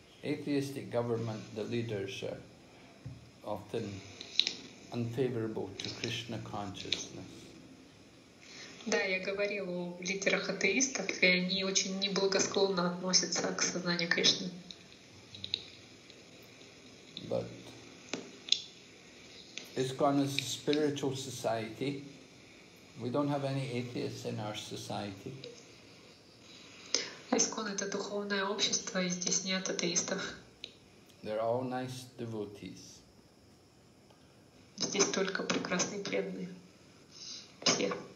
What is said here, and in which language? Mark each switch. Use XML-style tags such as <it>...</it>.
<en>Atheistic government, the leaders are often unfavorable to Krishna consciousness.</en> <ru>Да, я говорил о лидерах атеистов, и они очень неблагосклонно относятся к сознанию Кришны.</ru> <en>But ISKCON is a spiritual society. We don't have any atheists in our society.</en> <ru>ISKCON — это духовное общество, и здесь нет атеистов.</ru> <en>They're all nice devotees.</en> <ru>Здесь только прекрасные преданные. Все.</ru>